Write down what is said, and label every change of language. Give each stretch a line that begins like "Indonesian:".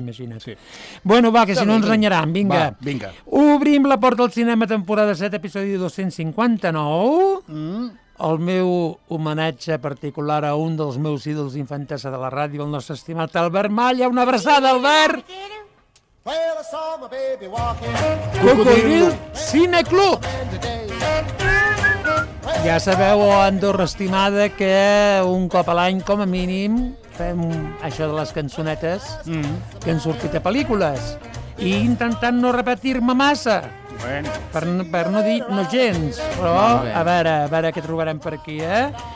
Catalan: Imagina't. Sí. Bueno, va, que si no ens renyaran, vinga. Va, vinga. Obrim la porta al cinema, temporada 7, episodi 259. Mm. El meu homenatge particular a un dels meus ídols d'infantesa de la ràdio, el nostre estimat Albert Malla. Una abraçada, Albert!
English: Well, I saw my baby walking.
Catalan: Cocodril Cine Club! Ja sabeu, Andorra estimada, que un cop a l'any, com a mínim, fem això de les cançonetes que han sortit a pel·lícules i intentant no repetir-me massa, bueno. per no dir no gens, però a veure què trobarem per aquí, eh?